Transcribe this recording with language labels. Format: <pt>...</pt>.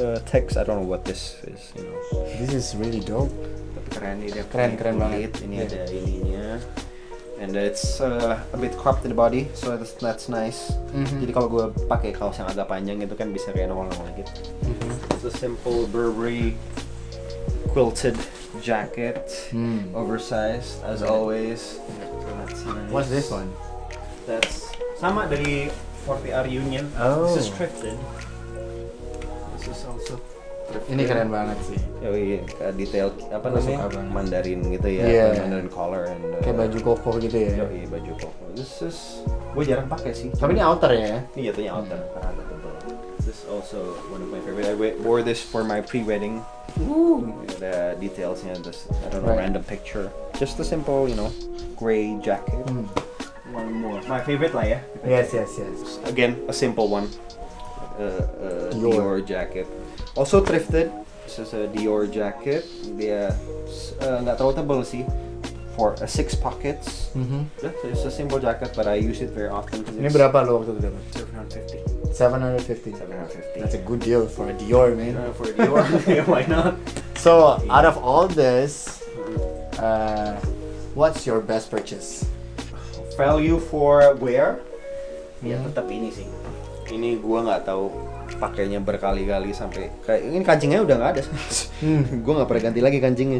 <en>Text, I don't know what this is, you know. This is really dope.</en> <id>Tapi keren, ini keren, keren banget. Ini yeah. Ada ininya.</id> <en>And it's a bit cropped in the body, so that's nice. Mm-hmm.</en> <id>Jadi kalau gue pakai kaos yang agak panjang itu kan bisa kayak normal lagi.</id> <en>It's a simple Burberry quilted jacket, oversized as always. So that's nice. What's this one?</en> <id>That's sama dari 40R Union. Oh.</id> <en>This is thrifted.</en> <id>Ini keren banget sih. Oh iya, detail apa namanya? Mandarin gitu ya,</id> <en>yeah. Mandarin color and</en> <id>kayak baju koko gitu ya. Oh iya, baju koko.</id> <en>This is</en> <id>gue jarang pakai sih. Tapi ini outer ya. Ini jatuhnya outer. Karena tebal.</id> <en>This also one of my favorite. I wore this for my pre-wedding. Ooh. The detailsnya, this I don't know, right. Random picture. Just a simple, you know, gray jacket. Mm. One more. My favorite lah ya. Yes. Again, a simple one. Dior jacket. Also thrifted. This is a Dior jacket.</en> <id>Dia nggak terlalu tebal sih.</id> <en>For 6 pockets. Mm-hmm. Yeah, so it's a simple jacket, but I use it very often.</en> <id>Ini berapa lo waktu itu?</id> <en>$750. That's a good deal for a Dior, man. For a Dior, why not? So yeah. Out of all this, what's your best purchase? Value for wear? Yeah.</en> <id>Ya tetap ini sih. Ini gue nggak tahu pakainya berkali-kali sampai kayak ini kancingnya udah nggak ada. Gue nggak pernah ganti lagi kancingnya.</id>